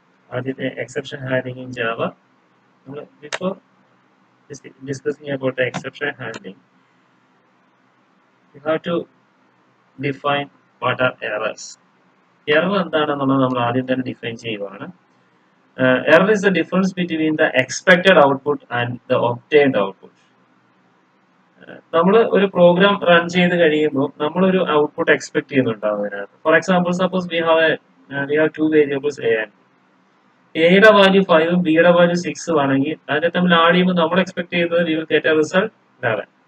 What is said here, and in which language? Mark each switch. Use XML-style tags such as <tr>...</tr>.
<ml>ആദ്യത്തെ</ml> <en>Exception handling Java.</en> <ml>നമ്മൾ</ml> <en>Before discussing about the exception handling, you have to define what are errors.</en> <ml>Error എന്താണെന്നുള്ളത് നമ്മൾ ആദ്യം തന്നെ ഡിഫൈൻ ചെയ്യുകയാണ്.</ml> <en>Error is the difference between the expected output and the obtained output.</en> <ml>നമ്മൾ ഒരു program run ചെയ്ത് കഴിയുമ്പോൾ നമ്മളൊരു ഔട്ട്പുട്ട് എക്സ്പെക്ട് ചെയ്യുന്നുണ്ടാവും.</ml> <en>for example, suppose we have two variables A and</en> <ml>എയുടെ വാല്യൂ 5 ബിയുടെ വാല്യൂ 6 ആണെങ്കിൽ അതിനെ തമ്മിൽ ആഡ് ചെയ്യുമ്പോൾ നമ്മൾ എക്സ്പെക്ട് ചെയ്തത്</ml> <en>We will get a result 11.</en>